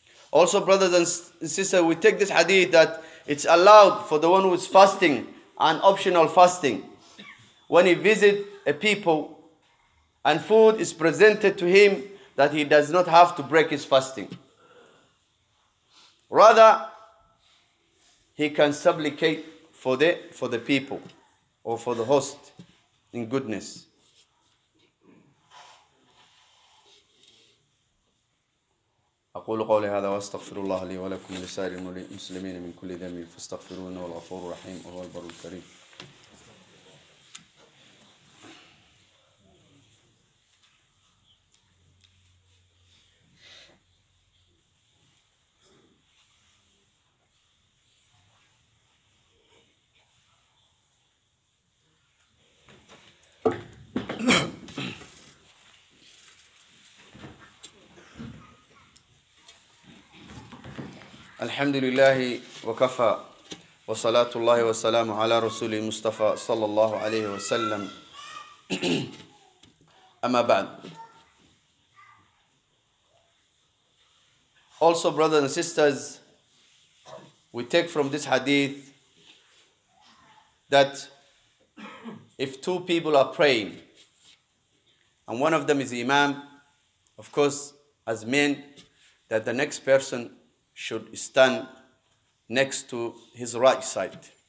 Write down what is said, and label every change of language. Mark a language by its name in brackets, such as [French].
[English] Also, brothers and sisters, we take this hadith that it's allowed for the one who is fasting and optional fasting when he visits a people and food is presented to him that he does not have to break his fasting. Rather, he can supplicate for the people or for the host in goodness. [Arabic] أقول قولي هذا واستغفر الله لي ولكم لسائر المسلمين من كل ذنب فاستغفروه إنه الغفور الرحيم وهو البر الكريم. الحمد لله وكفى وصلاة الله وسلام على رسول المصطفى صلى الله عليه وسلم أما بعد. [English] Also, brothers and sisters, we take from this hadith that if two people are praying and one of them is imam Of course, as men, that the next person should stand next to his right side.